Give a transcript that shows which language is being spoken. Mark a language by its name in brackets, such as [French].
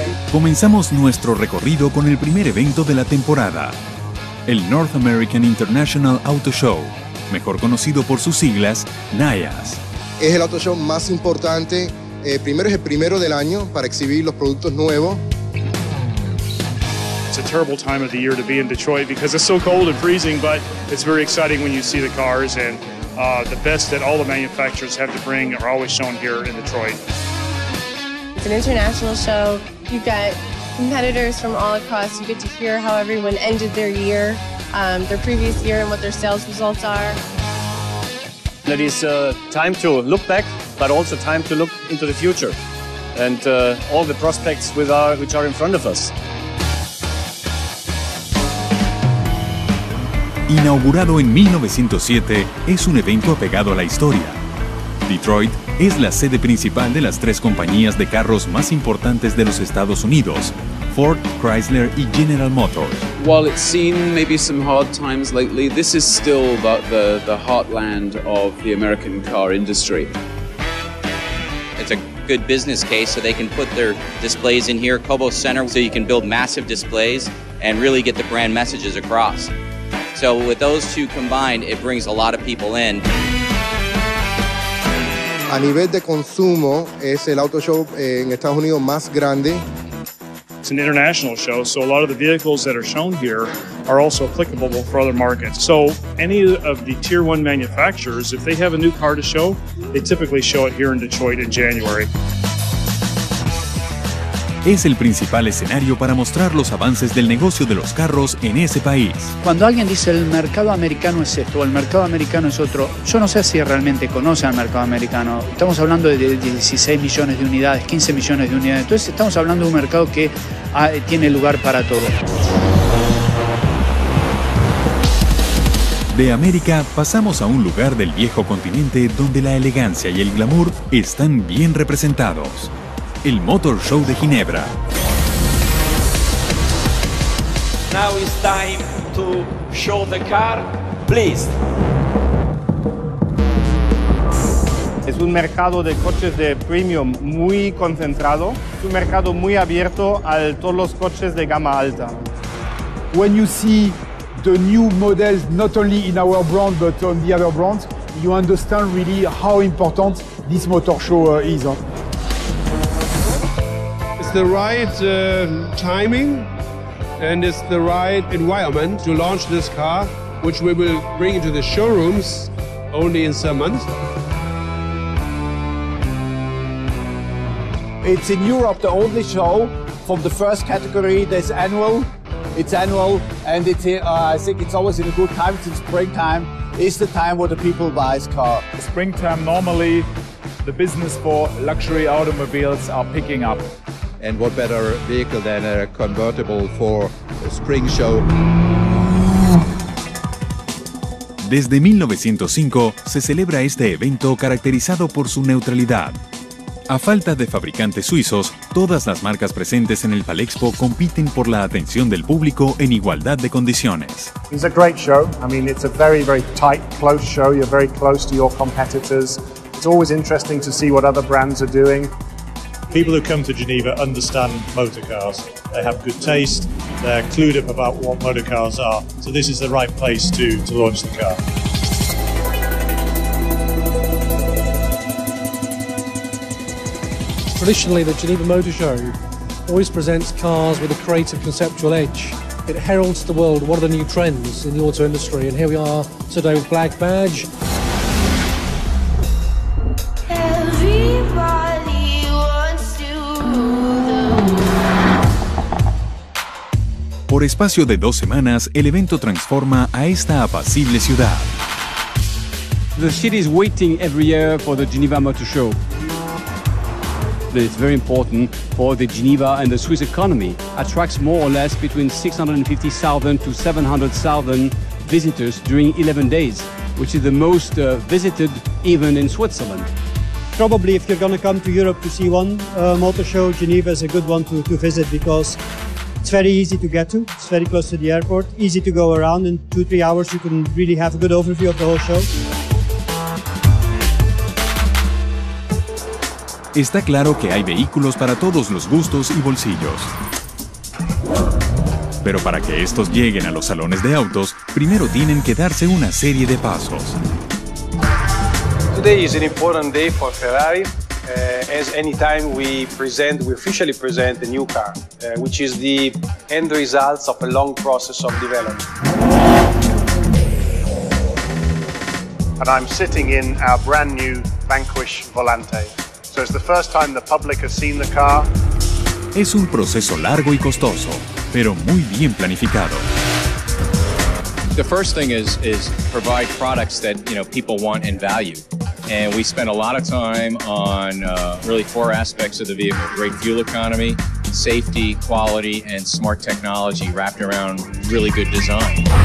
[Spanish] Comenzamos nuestro recorrido con el primer evento de la temporada, el North American International Auto Show, mejor conocido por sus siglas, NIAS. Es el auto show más importante, primero es el primero del año para exhibir los productos nuevos. [English] It's a terrible time of the year to be in Detroit because it's so cold and freezing, but it's very exciting when you see the cars and the best that all the manufacturers have to bring are always shown here in Detroit. It's an international show. You've got competitors from all across. You get to hear how everyone ended their year, their previous year, and what their sales results are. It is time to look back, but also time to look into the future and all the prospects which are in front of us. [Spanish] Inaugurado en 1907, es un evento apegado a la historia. Detroit es la sede principal de las tres compañías de carros más importantes de los Estados Unidos, Ford, Chrysler y General Motors. [English] While it's seen maybe some hard times lately, this is still the heartland of the American car industry. It's a good business case, so they can put their displays in here, Cobo Center, so you can build massive displays and really get the brand messages across. So with those two combined, it brings a lot of people in. [Spanish] A nivel de consumo, es el auto show en Estados Unidos más grande. [English] It's an international show, so a lot of the vehicles that are shown here are also applicable for other markets. So any of the tier one manufacturers, if they have a new car to show, they typically show it here in Detroit in January. [Spanish] Es el principal escenario para mostrar los avances del negocio de los carros en ese país. Cuando alguien dice el mercado americano es esto o el mercado americano es otro, yo no sé si realmente conoce al mercado americano. Estamos hablando de 16 millones de unidades, 15 millones de unidades. Entonces estamos hablando de un mercado que tiene lugar para todo. De América pasamos a un lugar del viejo continente donde la elegancia y el glamour están bien representados. El Motor Show de Ginebra. [English] Now it's time to show the car, please. [Spanish] Es un mercado de coches de premium muy concentrado. Es un mercado muy abierto a todos los coches de gama alta. [English] When you see the new models not only in our brand but on the other brands, you understand really how important this Motor Show is. It's the right timing and it's the right environment to launch this car, which we will bring into the showrooms only in some months. It's in Europe the only show from the first category that's annual. It's annual and it's, I think it's always in a good time. It's in springtime. It's the time where the people buy this car. Springtime, normally the business for luxury automobiles are picking up. And what better vehicle than a convertible for a spring show? [Spanish] Desde 1905 se celebra este evento caracterizado por su neutralidad. A falta de fabricantes suizos, todas las marcas presentes en el Palexpo compiten por la atención del público en igualdad de condiciones. [English] It's a great show. I mean, it's a very, very tight, close show. You're very close to your competitors. It's always interesting to see what other brands are doing. People who come to Geneva understand motor cars. They have good taste, they're clued up about what motor cars are. So this is the right place to launch the car. Traditionally, the Geneva Motor Show always presents cars with a creative conceptual edge. It heralds the world what are the new trends in the auto industry. And here we are today with Black Badge. [Spanish] Por espacio de dos semanas, el evento transforma a esta apacible ciudad. [English] The city is waiting every year for the Geneva Motor Show. but it's very important for the Geneva and the Swiss economy. Attracts more or less between 650,000 to 700,000 visitors during 11 days, which is the most visited even in Switzerland. Probably if you're going to come to Europe to see one motor show, Geneva is a good one to visit because it's very easy to get to. It's very close to the airport, easy to go around. In 2-3 hours, you can really have a good overview of the whole show. [Spanish] Está claro que hay vehículos para todos los gustos y bolsillos. Pero para que estos lleguen a los salones de autos, primero tienen que darse una serie de pasos. [English] Today is an important day for Ferrari, as any time we officially present a new car, which is the end result of a long process of development. And I'm sitting in our brand new Vanquish Volante. So it's the first time the public has seen the car. [Spanish] Es un proceso largo y costoso, pero muy bien planificado. [English] The first thing is provide products that, you know, people want and value. And we spent a lot of time on really four aspects of the vehicle: great fuel economy, safety, quality, and smart technology wrapped around really good design.